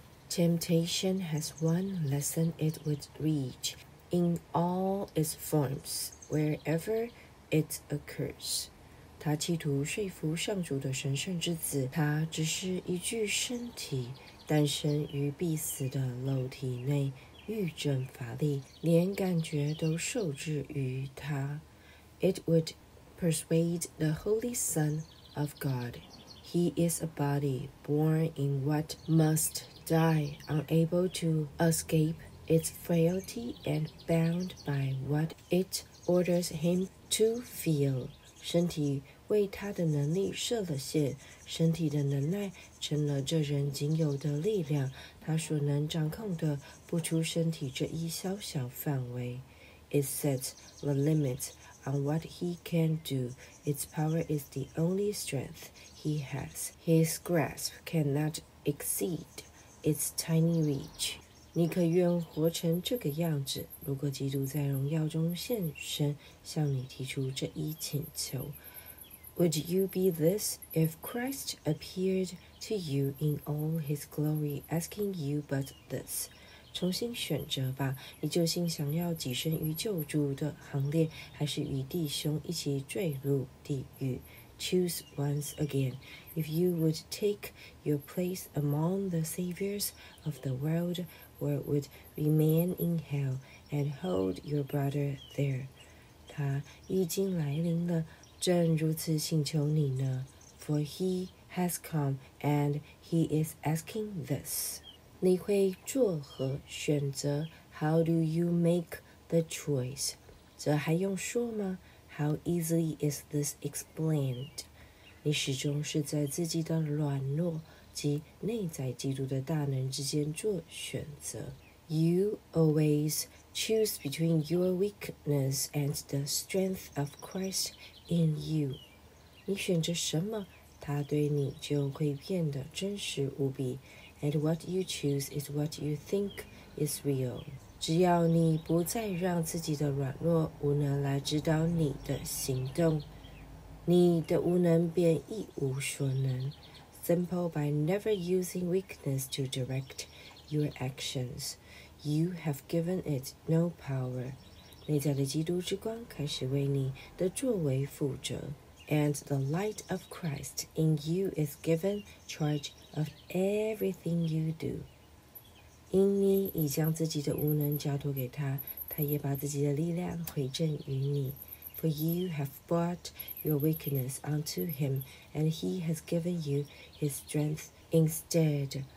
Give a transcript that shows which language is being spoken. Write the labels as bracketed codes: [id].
[en] Temptation has one lesson it would reach in all its forms, wherever it occurs. [zh] 他企图说服上主的神圣之子，他只是一具身体，诞生于必死的肉体内，愈振乏力，连感觉都受制于他。 [en] It would persuade the Holy Son of God. He is a body born in what must die, unable to escape its frailty and bound by what it orders him to feel. [zh] 身体为他的能力设了限，身体的能耐成了这人仅有的力量，他所能掌控的不出身体这一小小范围。 [en] It sets the limit on what he can do. Its power is the only strength he has. His grasp cannot exceed. It's tiny reach. [zh] 你可愿活成这个样子，如果基督在荣耀中现身，向你提出这一请求。 [en] Would you be this if Christ appeared to you in all his glory, asking you but this? [zh] 重新选择吧，你究竟想要跻身于救主的行列，还是与弟兄一起坠入地狱？ [en] Choose once again, if you would take your place among the saviors of the world or would remain in hell and hold your brother there. [zh] 他已经来临了，正如此请求你呢。 [en] For he has come and he is asking this. [zh] 你会作何选择？ [en] How do you make the choice? [zh] 这还用说吗？ [en] How easily is this explained? [zh] 你始终是在自己的软弱及内在基督的大能之间做选择。 [en] You always choose between your weakness and the strength of Christ in you. [zh] 你选择什么，他对你就会变得真实无比。 [en] And what you choose is what you think is real. [zh] 只要你不再让自己的软弱无能来指导你的行动，你的无能便一无所能。 [en] Simple by never using weakness to direct your actions, you have given it no power. [zh] 内在的基督之光开始为你的作为负责。 [en] And the light of Christ in you is given charge of everything you do. [zh] 因你已将自己的无能交托给他，他也把自己的力量回赠于你。 [en] For you have brought your weakness unto him, and he has given you his strength instead.